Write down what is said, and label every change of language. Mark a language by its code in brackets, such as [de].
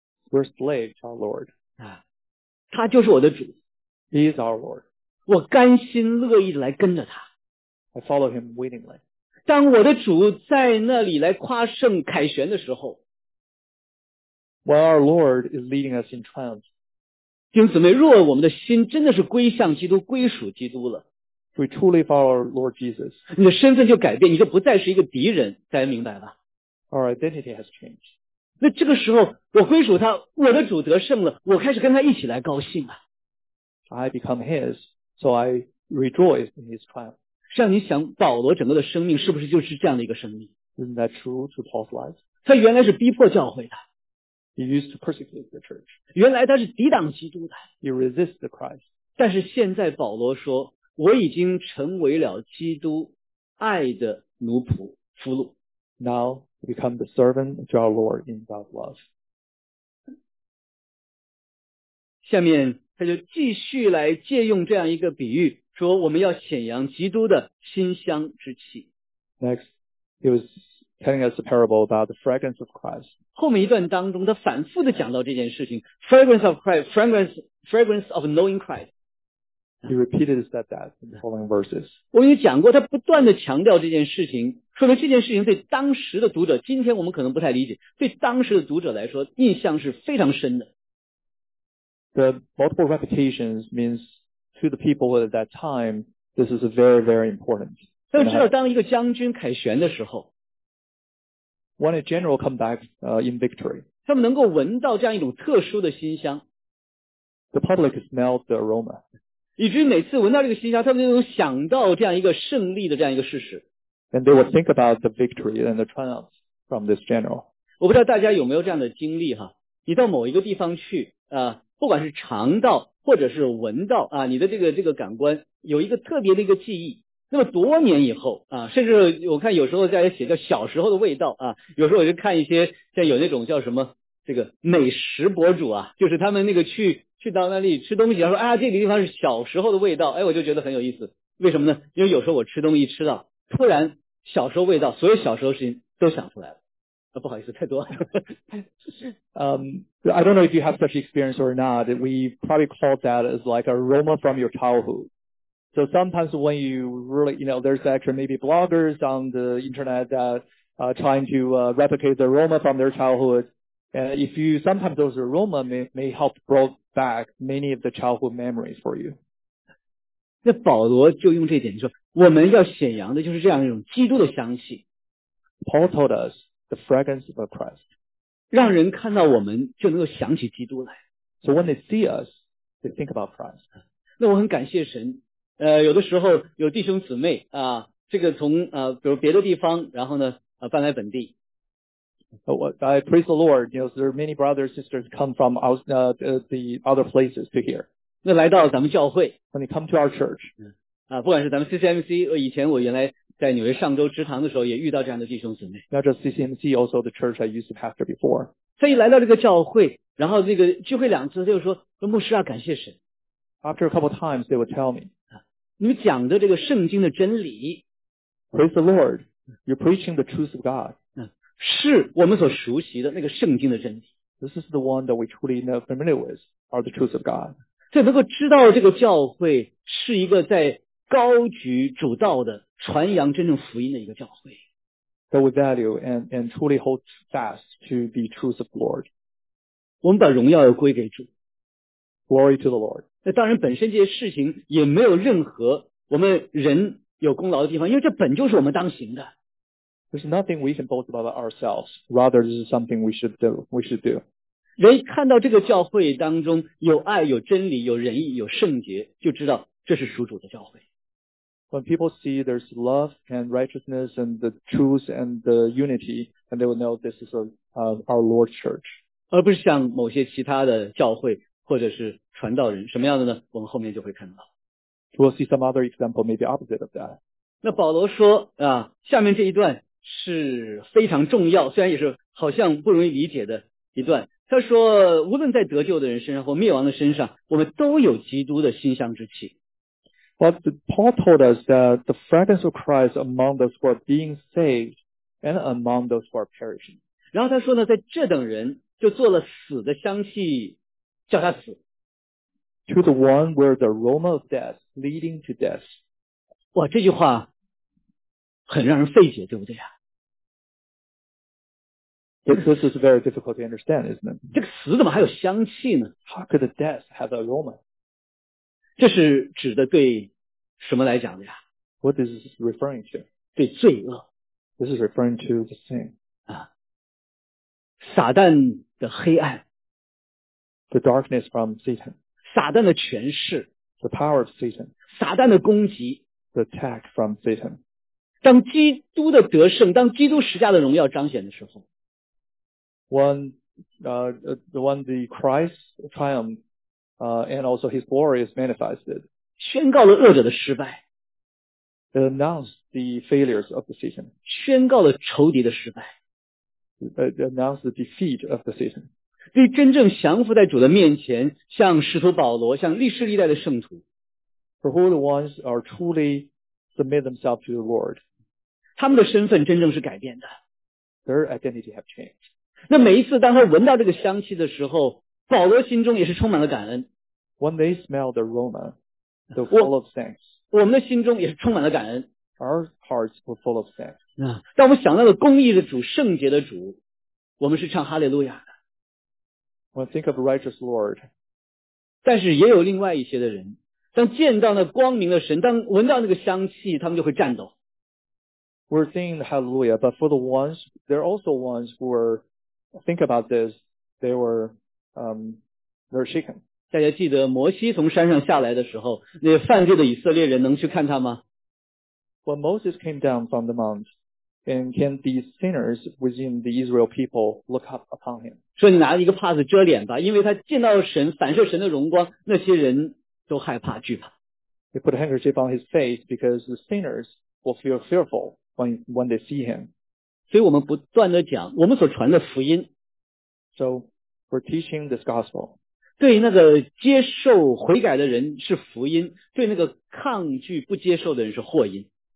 [en] We're slave to our Lord. [zh] 他就是我的主。 [en] He is our Lord. [zh] 我甘心乐意来跟着他。 [en] I follow him willingly. [zh] 当我的主在那里来夸胜凯旋的时候。 [en] While our Lord is leading us in triumph. [zh] 因此，若我们的心真的是归向基督，归属基督了。 [en] We truly follow our Lord Jesus. [zh] 你的身份就改变，你就不再是一个敌人，大家明白吧？ [en] Our identity has changed. [zh] 那这个时候我归属他，我的主得胜了，我开始跟他一起来高兴啊。 [en] I become his, so I rejoice in his triumph. [zh] 像你想保罗整个的生命是不是就是这样的一个生命？ [en] Isn't that true to Paul's life? [zh] 他原来是逼迫教会的。 [en] He used to persecute the church. [zh] 原来他是抵挡基督的。 [en] He resists the Christ. [zh] 但是现在保罗说，我已经成为了基督爱的奴仆俘虏。 [en] Now,become the servant to our Lord in God's love. [zh] 下面他就继续来借用这样一个比喻，说我们要显扬基督的馨香之气。 [en] Next, he was telling us a parable about the fragrance of Christ. [zh] 后面一段当中，他反复的讲到这件事情 ， [en] fragrance of Christ, fragrance of knowing Christ. He repeated that in the following verses. [zh] 我们也讲过，他不断的强调这件事情。说明这件事情对当时的读者，今天我们可能不太理解，对当时的读者来说印象是非常深的。 [en] The multiple repetitions means to the people at that time this is very very important. [zh] 但是知道当一个将军凯旋的时候， [en] When a general come back in victory， [zh] 他们能够闻到这样一种特殊的馨香。 [en] The public smelled the aroma， [zh] 以至于每次闻到这个馨香，他们就能想到这样一个胜利的这样一个事实。 [en] And they would think about the victory and the triumph from this general. [zh] 我不知道大家有没有这样的经历哈，你到某一个地方去，不管是尝到或者是闻到啊，你的这个感官有一个特别的一个记忆。那么多年以后啊，甚至我看有时候大家写叫小时候的味道啊，有时候我就看一些像有那种叫什么这个美食博主啊，就是他们那个去到那里吃东西，然后说啊这个地方是小时候的味道，哎我就觉得很有意思，为什么呢？因为有时候我吃东西吃到。突然小时候味道，所有小时候事情都想出来了。不好意思，太多了。 [en] I don't know if you have such experience or not. We probably call that as like aroma from your childhood. So sometimes when you really, you know, there's actually maybe bloggers on the internet that trying to replicate the aroma from their childhood. And if you, sometimes those aroma may help bring back many of the childhood memories for you. [zh] 那保罗就用这点说，我们要显扬的就是这样一种基督的香气。 [en] Paul told us the fragrance of Christ. [zh] 让人看到我们就能够想起基督来。 [en] So when they see us, they think about Christ. [zh] 那我很感谢神。有的时候有弟兄姊妹啊，这个从比如别的地方，然后呢搬来本地。 [en] I praise the Lord. You know, there are many brothers and sisters come from the other places to here. [zh] 那来到咱们教会。 [en] When they come to our church. [zh] 不管是咱们 CCMC， 以前我原来在纽约上周职堂的时候也遇到这样的弟兄姊妹。 [en] Not just CCMC, also the church I used to pastor before. [zh] 他一来到这个教会，然后这个聚会两次，他就说牧师啊，感谢神。 [en] After a couple times, they would tell me. [zh] 你们讲的这个圣经的真理。 [en] Praise the Lord, you're preaching the truth of God. [zh] 是我们所熟悉的那个圣经的真理。 [en] This is the one that we truly know familiar with, are the truth of God. [zh] 所以能够知道这个教会是一个在高举主道的传扬真正福音的一个教会。 [en] that we value and truly hold fast to the truth of the Lord. [zh] 我们把荣耀归给主。 [en] Glory to the Lord. [zh] 那当然本身这些事情也没有任何我们人有功劳的地方，因为这本就是我们当行的。 [en] There's nothing we can boast about ourselves. Rather, this is something we should do. [zh] 人看到这个教会当中有爱、有真理、有仁义、有圣洁，就知道这是属主的教会。 [en] When people see there's love and righteousness and the truth and the unity, and they will know this is our Lord's church. [zh] 而不是像某些其他的教会或者是传道人什么样的呢？我们后面就会看到。 [en] We'll see some other example, maybe opposite of that. [zh] 那保罗说啊，下面这一段是非常重要，虽然也是好像不容易理解的一段。他说，无论在得救的人身上或灭亡的身上，我们都有基督的馨香之气。 [en] But Paul told us that the fragrance of Christ among those who are being saved and among those who are perishing. [zh] 然后他说呢，在这等人就做了死的香气，叫他死。 [en] To the one where the aroma of death leading to death. [zh] 哇，这句话很让人费解，对不对啊？ [en] This is very difficult to understand, isn't it? [zh] 这个死怎么还有香气呢？ [en] How could the death have aroma? [zh] 这是指的对什么来讲的呀？ [en] What is this referring to? [zh] 对罪恶。 [en] This is referring to the sin. [zh] 啊，撒旦的黑暗。 [en] The darkness from Satan. [zh] 撒旦的权势。 [en] The power of Satan. [zh] 撒旦的攻击。 [en] The attack from Satan. [zh] 当基督的得胜，当基督十架的荣耀彰显的时候。 [en] When the Christ triumphed,and also his glory is manifested. [zh] 宣告了恶者的失败。 [en] It announced the failures of the Satan. [zh] 宣告了仇敌的失败。 [en] It announced the defeat of the Satan. [zh] 对真正降服在主的面前，像使徒保罗，像历史历代的圣徒。 [en] For who the ones are truly submit themselves to the Lord. [zh] 他们的身份真正是改变的。 [en] Their identity have changed. [zh] 那每一次当他闻到这个香气的时候，保罗心中也是充满了感恩。 [en] When they smell the aroma, the full of thanks. [zh] 我们的心中也是充满了感恩。 [en] Our hearts were full of thanks. [zh] 当我们想到了公义的主、圣洁的主，我们是唱哈利路亚的。 [en] When I think of a righteous Lord. [zh] 但是也有另外一些的人，当见到那光明的神，当闻到那个香气，他们就会颤抖。 [en] We're singing the hallelujah, but for the ones, there are also ones who were, think about this, they were,very shaken. [zh] 大家记得摩西从山上下来的时候，那些犯罪的以色列人能去看他吗？ [en] When Moses came down from the mount, and can these sinners within the Israel people look up upon him? [zh] 说你拿了一个帕子遮脸吧，因为他见到神，反射神的荣光，那些人都害怕惧怕。 [en] They put a handkerchief on his face because the sinners will feel fearful when they see him. [zh] 所以我们不断的讲我们所传的福音。 [en] So,We're teaching this gospel. [zh] 对那个接受悔改的人是福音，对那个抗拒不接受的人是祸因。